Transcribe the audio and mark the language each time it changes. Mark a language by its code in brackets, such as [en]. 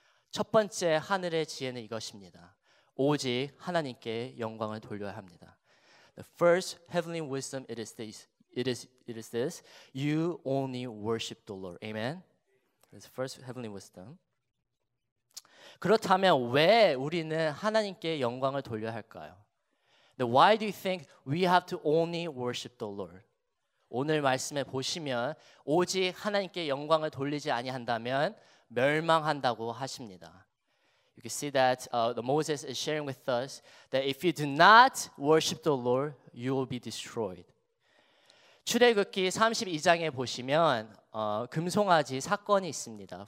[ko] 첫 번째 하늘의 지혜는 이것입니다. 오직 하나님께 영광을 돌려야 합니다. [en] The first heavenly wisdom it is this. You only worship the Lord. Amen. It's first heavenly wisdom. [ko] 그렇다면 왜 우리는 하나님께 영광을 돌려야 할까요? [en] Then why do you think we have to only worship the Lord? [ko] 오늘 말씀에 보시면 오직 하나님께 영광을 돌리지 아니한다면 멸망한다고 하십니다. [en] You can see that Moses is sharing with us that if you do not worship the Lord, you will be destroyed. [ko] 출애굽기 32장에 보시면 금송아지 사건이 있습니다.